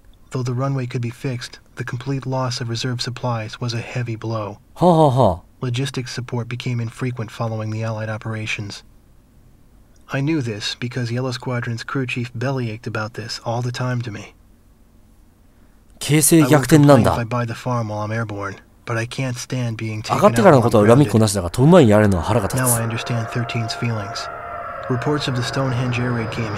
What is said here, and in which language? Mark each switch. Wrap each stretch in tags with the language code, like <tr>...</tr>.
<en>Though the runway could be fixed, the complete loss of reserve supplies was a heavy blow. はあはあ。 Logistics support became infrequent following the Allied operations. I knew this because Yellow Squadron's crew chief bellyached about this all the time to me.</en> <ja>形勢逆転なんだ。上がってからのことは恨みっこなしだが、飛ぶ前にやれるのは腹が立つ。</ja> <en>Now I understand 13's feelings. Reports of the Stonehenge air raid came in.</en>